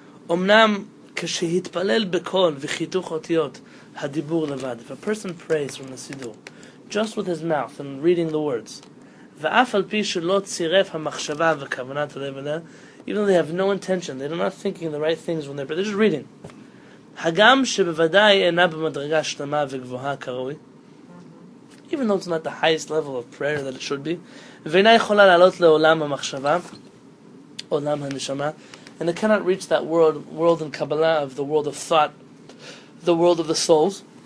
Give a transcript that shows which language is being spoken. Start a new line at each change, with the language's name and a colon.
Hebrew: Omnam כשהתפלל בקול וחיתוך אותיות הדיבור לבד.
English: If a person prays from the siddur, just with his mouth and reading the words,
Hebrew: ואף על פי שלא צירף המחשבה וכוונת הלב אליה,
English: even though they have no intention, they're not thinking the right things when they're just reading.
Hebrew: הגם שבוודאי אינה במדרגה שלמה וגבוהה כראוי,
English: even though it's not the highest level of prayer that it should be,
Hebrew: ואינה יכולה לעלות לעולם המחשבה, עולם הנשמה,
English: and it cannot reach that world in Kabbalah of the world of thought, the world of the souls.